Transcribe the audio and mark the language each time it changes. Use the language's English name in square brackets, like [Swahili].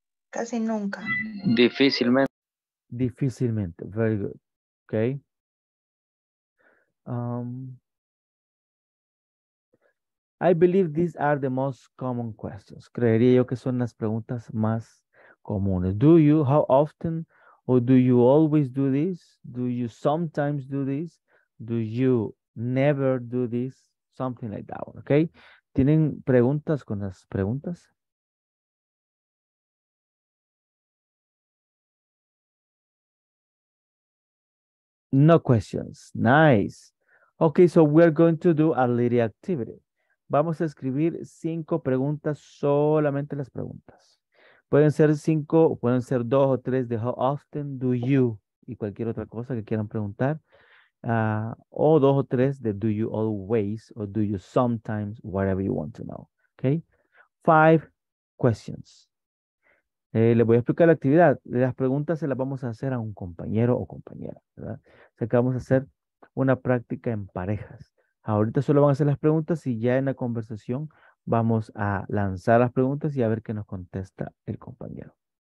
[Spanish] Casi nunca. Difícilmente. [English] Difícilmente. Very good. Okay. I believe these are the most common questions. [Spanish] Creería yo que son las preguntas más comunes. [English] Do you, how often, or do you always do this? Do you sometimes do this? Do you never do this? Something like that one, okay? [Spanish] ¿Tienen preguntas con las preguntas? [English] No questions. Nice. Okay, so we're going to do a little activity. [Spanish] Vamos a escribir 5 preguntas, solamente las preguntas. Pueden ser 5, pueden ser 2 o 3 de [English] how often do you [Spanish] y cualquier otra cosa que quieran preguntar. O 2 o 3 de [English] do you always or do you sometimes, whatever you want to know. Okay? 5 questions. [Spanish] Les voy a explicar la actividad. Las preguntas se las vamos a hacer a un compañero o compañera, ¿verdad? O sea que vamos a hacer una práctica en parejas. Ahorita solo van a hacer las preguntas y ya en la conversación vamos a lanzar las preguntas y a ver qué nos contesta el compañero.